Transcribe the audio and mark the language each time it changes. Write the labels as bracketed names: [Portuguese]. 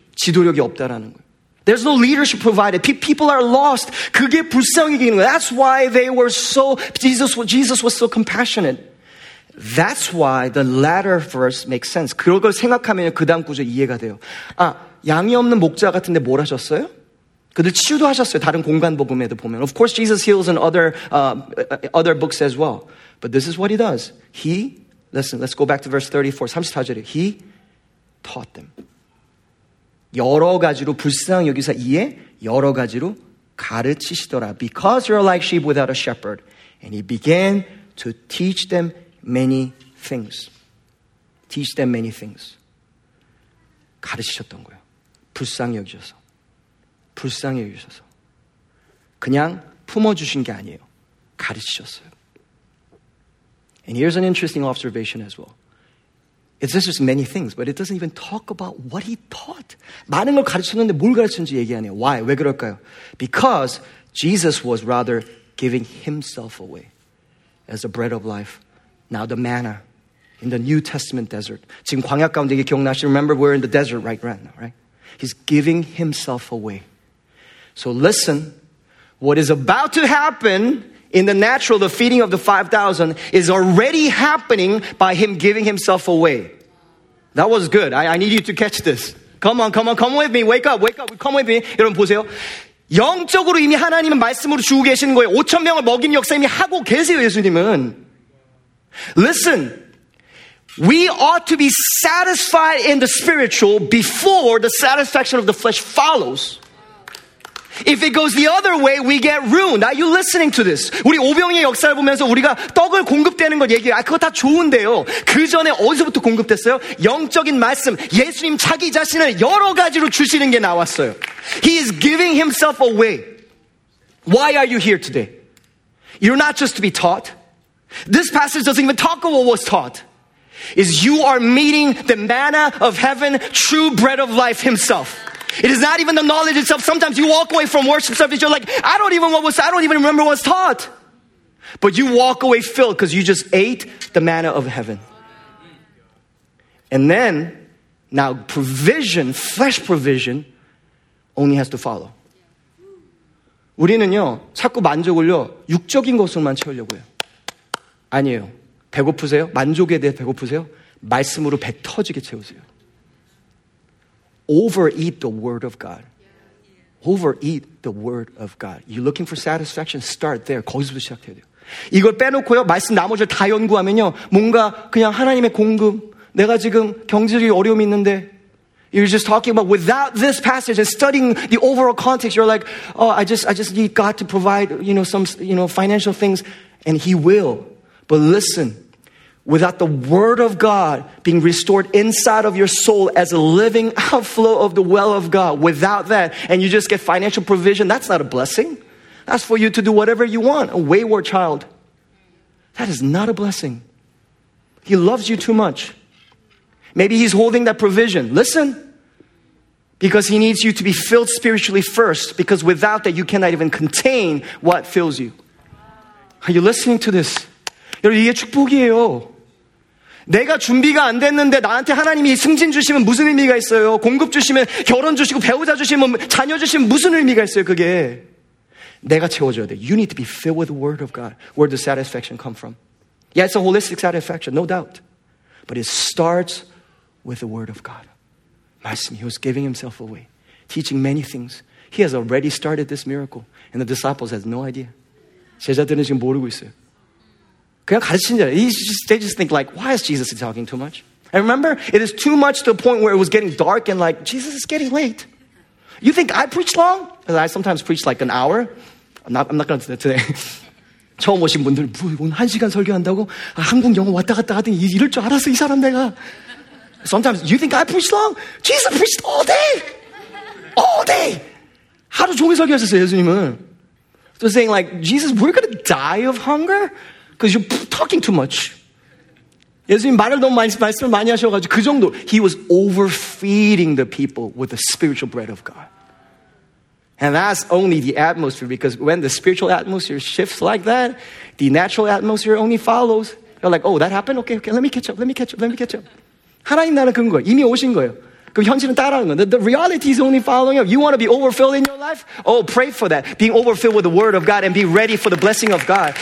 [Korean] 지도력이 없다라는 거예요. [English] There's no leadership provided. People are lost. [Korean] 그게 불쌍히 여기는 거예요. [English] That's why they were so, Jesus was so compassionate. That's why the latter verse makes sense. [Korean] 그걸 생각하면 그 다음 구절 이해가 돼요. 아, 양이 없는 목자 같은데 뭘 하셨어요? 그들 치유도 하셨어요. 다른 공간 복음에도 보면. [English] Of course, Jesus heals in other books as well. But this is what he does. He, listen, let's go back to verse 34, [Korean] 34절에. [English] He taught them. [Korean] 여러 가지로 불쌍히 여기서 이해 여러 가지로 가르치시더라. [English] Because you're like sheep without a shepherd. And he began to teach them many things. Teach them many things. [Korean] 가르치셨던 거예요. 불쌍히 여기셔서. 불쌍히 여기셔서. 그냥 품어주신 게 아니에요. 가르치셨어요. [English] And here's an interesting observation as well. It's just many things, but it doesn't even talk about what he taught. [Korean] 많은 걸 가르쳤는데 뭘 가르쳤는지 얘기 안 해요. [English] Why? [Korean] 왜 그럴까요? [English] Because Jesus was rather giving himself away as the bread of life. Now the manna in the New Testament desert. [Korean] 지금 광야 가운데 이게 기억나시죠? [English] Remember, we're in the desert right now, right? He's giving himself away. So listen, what is about to happen in the natural, the feeding of the 5,000 is already happening by him giving himself away. That was good. I need you to catch this. Come on, come on, come with me. Wake up, wake up. Come with me. [Korean] 여러분 보세요. 영적으로 이미 하나님은 말씀으로 주고 계시는 거예요. 5,000명을 먹인 역사 이미 하고 계세요, 예수님은. [English] Listen, we ought to be satisfied in the spiritual before the satisfaction of the flesh follows. If it goes the other way, we get ruined. Are you listening to this? [Korean] 우리 오병의 역사를 보면서 우리가 떡을 공급되는 것 얘기해요. 아, 그거 다 좋은데요. 그 전에 어디서부터 공급됐어요? 영적인 말씀, 예수님 자기 자신을 여러 가지로 주시는 게 나왔어요. [English] He is giving himself away. Why are you here today? You're not just to be taught. This passage doesn't even talk of what was taught. Is you are meeting the manna of heaven, true bread of life himself. It is not even the knowledge itself. Sometimes you walk away from worship service, you're like, I don't even remember what was taught. But you walk away filled because you just ate the manna of heaven. And then, now provision, flesh provision, only has to follow. [Korean] 우리는요, 자꾸 만족을요, 육적인 것으로만 채우려고 해요. 아니에요. 배고프세요? 만족에 대해 배고프세요? 말씀으로 배 터지게 채우세요. [English] Overeat the word of God. Overeat the word of God. You're looking for satisfaction? Start there. [Korean] 거기서부터 시작해야 돼요. 이걸 빼놓고요. 말씀 나머지를 다 연구하면요. 뭔가 그냥 하나님의 공급. 내가 지금 경제적인 어려움이 있는데. [English] You're just talking about without this passage and studying the overall context. You're like, oh, I just need God to provide, you know, some, you know, financial things. And he will. But listen. Without the word of God being restored inside of your soul as a living outflow of the well of God, without that, and you just get financial provision, that's not a blessing. That's for you to do whatever you want, a wayward child. That is not a blessing. He loves you too much. Maybe he's holding that provision. Listen, because he needs you to be filled spiritually first, because without that, you cannot even contain what fills you. Are you listening to this? [Korean] 여러분, 이게 축복이에요. 내가 준비가 안 됐는데 나한테 하나님이 승진 주시면 무슨 의미가 있어요? 공급 주시면 결혼 주시고 배우자 주시면 자녀 주시면 무슨 의미가 있어요, 그게? 내가 채워줘야 돼. [English] You need to be filled with the word of God. Where does satisfaction come from? Yeah, it's a holistic satisfaction, no doubt. But it starts with the word of God. [Korean] 말씀, [English] he was giving himself away, teaching many things. He has already started this miracle, and the disciples have no idea. [Korean] 제자들은 지금 모르고 있어요. 그냥 가르친 자예요. [English] They just think like, why is Jesus talking too much? And remember, it is too much to the point where it was getting dark and like, Jesus is getting late. You think I preach long? Because I sometimes preach like an hour. I'm not going to do that today. [Korean] 처음 오신 분들, 오늘 한 시간 설교한다고? 아, 한국 영어 왔다 갔다 하더니 이럴 줄 알았어, 이 사람 내가. [English] Sometimes you think I preach long? Jesus preached all day. All day. [Korean] 하루 종일 설교하셨어요, 예수님은. [English] So saying like, Jesus, we're going to die of hunger? Because you're talking too much. [Korean] 예수님 말을 너무 많이, 말씀을 많이 하셔가지고 그 정도. [English] He was overfeeding the people with the spiritual bread of God. And that's only the atmosphere, because when the spiritual atmosphere shifts like that, the natural atmosphere only follows. You're like, oh, that happened? Okay, let me catch up. [Korean] 하나님 나라 그런 거예요. 이미 오신 거예요. 그럼 현실은 따라오는 거예요. [English] The reality is only following up. You want to be overfilled in your life? Oh, pray for that. Being overfilled with the word of God and be ready for the blessing of God.